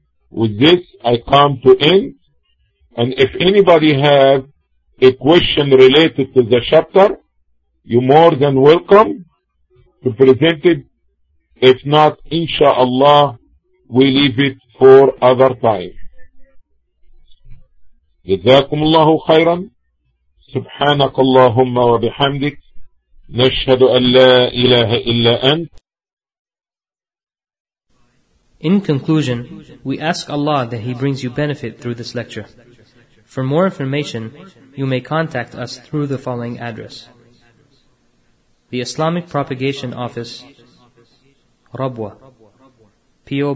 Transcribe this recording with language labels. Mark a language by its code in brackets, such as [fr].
[en] With this, I come to end. And if anybody has a question related to the chapter, you're more than welcome to present it. If not, inshallah, we leave it for other time. [ar] جزاكم الله خيرا سبحانك اللهم وبحمدك نشهد أن لا إله إلا أنت. [en] In conclusion, we ask Allah that He brings you benefit through this lecture. For more information, you may contact us through the following address: The Islamic Propagation Office, Rabwa, P.O.